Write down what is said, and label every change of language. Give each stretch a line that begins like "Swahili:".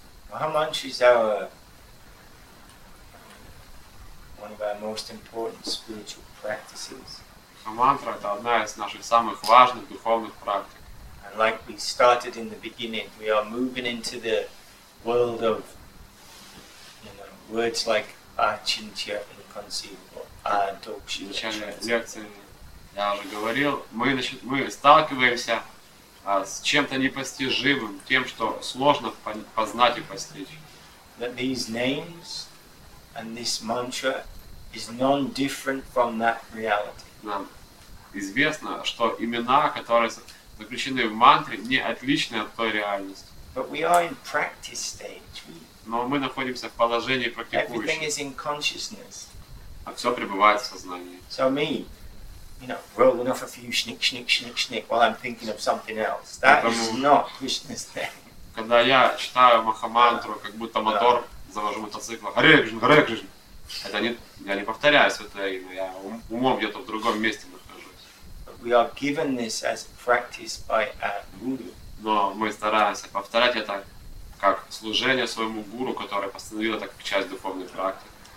English: Mahamantra is one of our most important spiritual practices. Mahamantra is one of our most important spiritual practices. And like we started in the beginning, we are moving into the world of words like achintya, inconceivable.
Russian: В начале лекции я уже говорил, мы сталкиваемся с чем-то непостижимым, тем, что сложно познать и постичь.
English: That these names and this mantra is none different from that reality.
Russian: Нам известно, что имена, которые заключены в мантре, не отличны от той реальности.
English: But we are in practice stage.
Russian: Но мы находимся в положении практикующего.
English: Everything is in consciousness.
Russian: А все пребывает в сознании.
English: So me, rolling off a few schnick while I'm thinking of something else. That is not Krishna's thing.
Russian: Когда я читаю Махамантру, как будто мотор, завожу мотоцикл, Харе Кришна. Это не, я не повторяю святое имя, я умом где-то в другом месте нахожусь.
English: We are given this as practice by our guru.
Russian: Но мы стараемся повторять это как служение своему гуру, который постановил это как часть духовной практики.